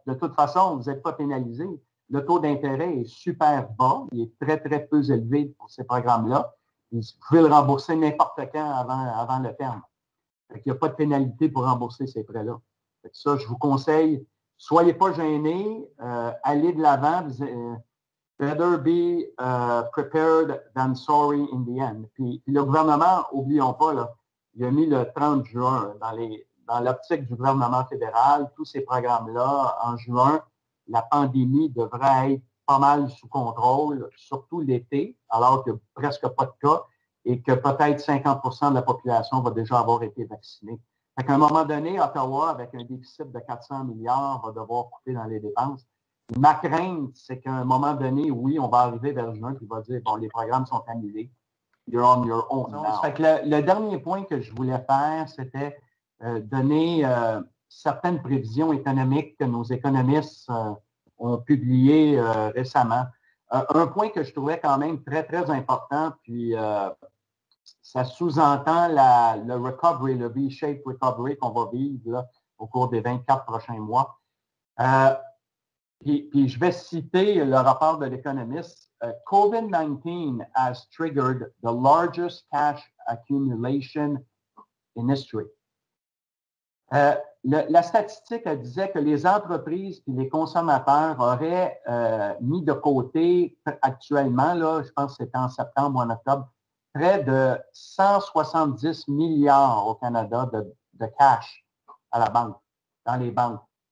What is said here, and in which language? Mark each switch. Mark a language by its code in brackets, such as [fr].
[fr] De toute façon, vous n'êtes pas pénalisé. Le taux d'intérêt est super bas. Il est très, très peu élevé pour ces programmes-là. Vous pouvez le rembourser n'importe quand avant le terme. Fait qu'il n'y a pas de pénalité pour rembourser ces prêts-là. Fait que ça, je vous conseille. Soyez pas gênés, allez de l'avant, [en] Better be prepared than sorry in the end. [fr] Puis le gouvernement, oublions pas, là, il a mis le 30 juin dans l'optique du gouvernement fédéral, tous ces programmes-là, en juin, la pandémie devrait être pas mal sous contrôle, surtout l'été, alors qu'il n'y a presque pas de cas et que peut-être 50 % de la population va déjà avoir été vaccinée. Fait qu'à un moment donné, Ottawa, avec un déficit de 400 milliards, va devoir couper dans les dépenses. Ma crainte, c'est qu'à un moment donné, oui, on va arriver vers juin, puis il va dire, bon, les programmes sont annulés. [en] You're on your own now. [fr] Fait que le dernier point que je voulais faire, c'était donner certaines prévisions économiques que nos économistes ont publiées récemment. Un point que je trouvais quand même très, très important, puis ça sous-entend le recovery, le V-shaped recovery qu'on va vivre là, au cours des 24 prochains mois. Puis je vais citer le rapport de l'économiste. [en] COVID-19 has triggered the largest cash accumulation in history. [fr] La statistique elle disait que les entreprises et les consommateurs auraient mis de côté actuellement, là, je pense que c'était en septembre ou en octobre, près de 170 milliards au Canada de cash à la banque, dans les banques.